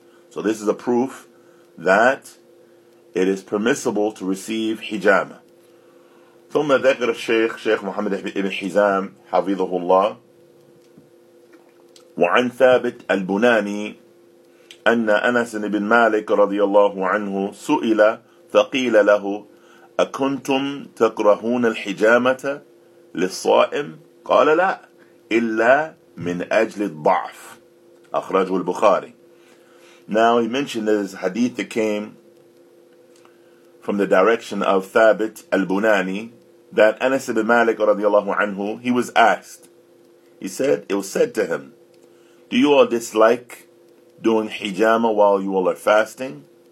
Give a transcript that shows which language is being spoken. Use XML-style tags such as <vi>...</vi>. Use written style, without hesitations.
<en>So this is a proof that it is permissible to receive hijama.</en> <ar>ثم ذكر الشيخ شيخ محمد بن حزام حفظه الله وعن ثابت البناني أن أنس بن مالك رضي الله عنه سئل فقيل له أكنتم تكرهون الحجامة للصائم؟ قال لا إلا من أجل الضعف. أخرجه البخاري.</ar> <en>Now he mentioned that this hadith came from the direction of Thabit al-Bunani, that Anas ibn Malik</en> <ar>radiallahu anhu,</ar> <en>he was asked, he said, it was said to him, do you all dislike doing hijama while you all are fasting?</en>